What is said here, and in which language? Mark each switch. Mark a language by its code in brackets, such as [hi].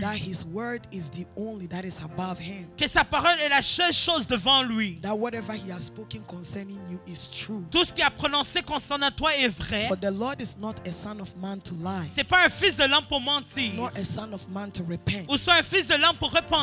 [en] that his word is the only that is above him [fr] que sa parole est la seule chose devant lui [en] that whatever he has spoken concerning you is true [fr] tout ce qu'il a prononcé concernant toi est vrai [en] for the Lord is not a son of man to lie [fr] c'est pas un fils de l'homme pour mentir [en] nor a son of man to repent [fr] ou soit un fils de l'homme pour repentir